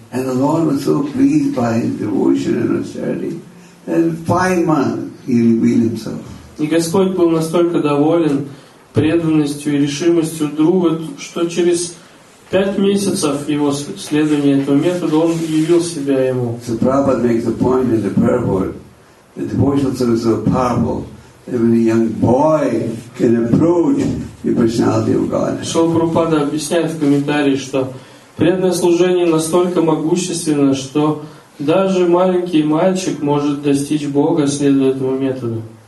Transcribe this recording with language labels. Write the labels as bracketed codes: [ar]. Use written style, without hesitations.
[en] And the Lord was so pleased by his devotion and austerity that in 5 months he revealed himself. [ru] И Господь был настолько доволен преданностью и решимостью друга, что через 5 месяцев его следования этому методу он явил себя ему. [en] So Prabhupada makes a point in the prayer book that devotional service is so powerful that when a young boy can approach the personality of God. [ru] Шрила Прабхупада объясняет в комментарии, что преданное служение настолько могущественно, что даже маленький мальчик может достичь Бога, следуя этому методу.